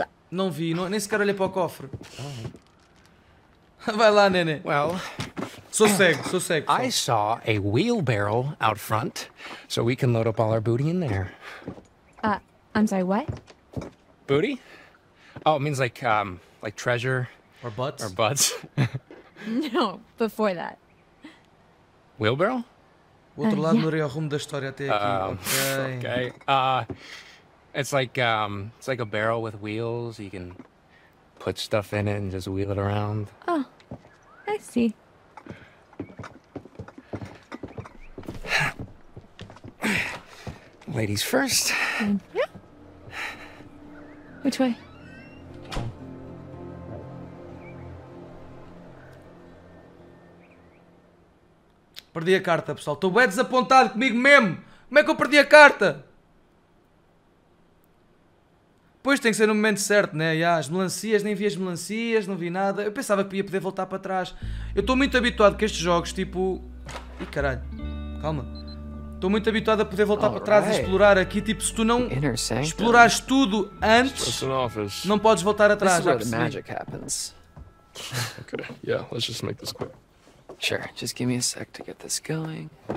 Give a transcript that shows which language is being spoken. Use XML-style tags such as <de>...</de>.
<pt>Não vi, não, nem sequer olhei para o cofre. Vai lá, nene.</pt> <en>Well,</en> <pt>sou cego.</pt> <en>I saw a wheelbarrow out front, so we can load up all our booty in there. I'm sorry, what? Booty? Oh, it means like treasure. Or butts. Or butts. No, before that. Wheelbarrow?</en> <pt>O outro lado do rio rumo da história até aqui.</pt> <en>Okay. It's like a barrel with wheels. You can put stuff in it and just wheel it around. Oh, I see. Ladies first. Yeah. Which way?</en> <pt>Perdi a carta, pessoal. Estou bem desapontado comigo mesmo. Como é que eu perdi a carta? Depois tem que ser no momento certo, né? Yeah, as melancias, nem vi as melancias, não vi nada. Eu pensava que ia poder voltar para trás. Eu estou muito habituado com estes jogos, tipo... Ih, caralho. Calma. Estou muito habituado a poder voltar para trás e explorar aqui. Tipo, se tu não explorares tudo antes, não podes voltar atrás.</pt> <en>This is where the magic happens. Okay, yeah, let's just make this quick. Sure, just give me a sec to get this going.</en>